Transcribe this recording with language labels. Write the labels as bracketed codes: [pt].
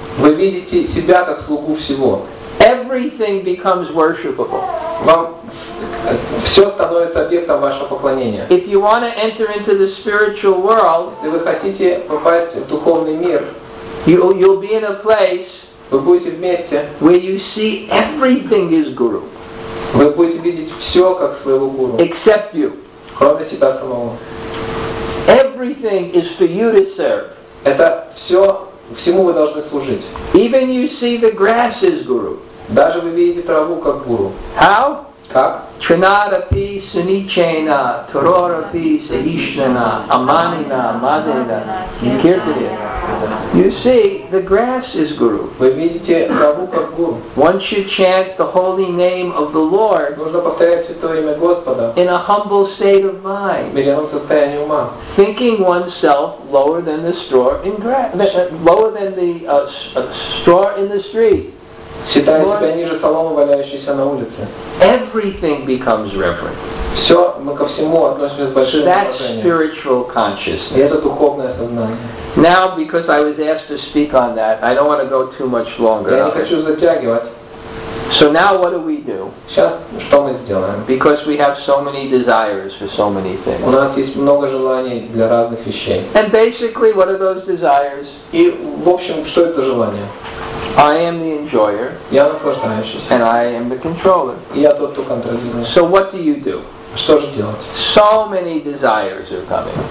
[ru] Вы видите себя как слугу всего. [en] Everything becomes worshipable. [ru] Вам все становится объектом вашего поклонения. [en] If you want to enter into the spiritual world, [ru] если вы хотите попасть в духовный мир, [en] you'll be in a place [ru] вы будете вместе, [en] where you see everything is guru. [ru] Вы будете видеть все как своего гуру. [en] Except you. [ru] Кроме себя самого. [en] Everything is for you to serve. [ru] Это все, всему вы должны служить. [en] Even you see the grass as guru. [ru] Даже вы видите траву как гуру. [en] How? [ru] Как? [sa] Чинара пи суничена, торора пи саишнена, аманина, мадина, киртия. [en] You see, the grass is guru. [ru] Вы видите траву как гуру. [en] Once you chant the holy name of the Lord, [ru] нужно повторять святое имя Господа. [en] In a humble state of mind, [ru] в смиренном состоянии ума. [en] Thinking oneself lower than the straw in grass, lower than the straw in the street. [ru] Считая себя ниже соломы, валяющейся на улице. [en] Everything becomes reverent. [ru] Все, мы ко всему относимся с большим уважением. [en] That's spiritual consciousness. [ru] И это духовное сознание. [en] Now, because I was asked to speak on that, I don't want to go too much longer. [ru] Я не хочу затягивать. [en] So now what do we do? [ru] Сейчас что мы сделаем? [en] Because we have so many desires for so many things. [ru] У нас есть много желаний для разных вещей. [en] And basically, what are those desires? [ru] И в общем, что это за желание? [en] I am the enjoyer. [ru] Я наслаждающийся. [en] And I am the controller. [ru] И я тот, кто контролирует. [en] So what do you do? [ru] Что же делать? [en] So many desires are coming.